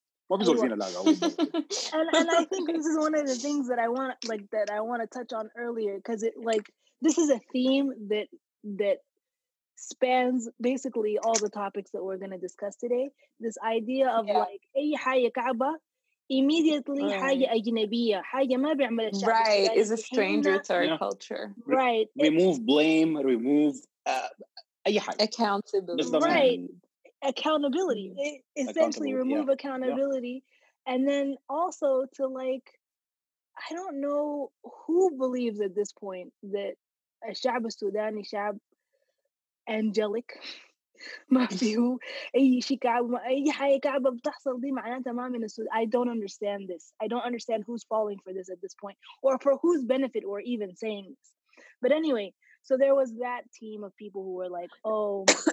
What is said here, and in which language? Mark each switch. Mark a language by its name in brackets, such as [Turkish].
[English] And I think this is one of the things that I want, like, that I want to touch on earlier, because it, like, this is a theme that spans basically all the topics that we're going to discuss today. This idea of like [Arabic] أي حاجة كعبة [English] immediately [Arabic] حاجة أجنبية حاجة ما بيعمل الشعب [English] right is a stranger to our culture right remove blame remove [Arabic] أي حاجة [English] accountability right accountability essentially remove accountability and then also to like I don't know who believes at this point that a [Arabic] شعب السوداني شعب [English] angelic [Arabic] ما فيه أي شيء كعب أي حاجة كعبة بتحصل دي معناتها ما من السود [English] I don't understand this I don't understand who's falling for this at this point or for whose benefit we're even saying this but anyway so there was that team of people who were like oh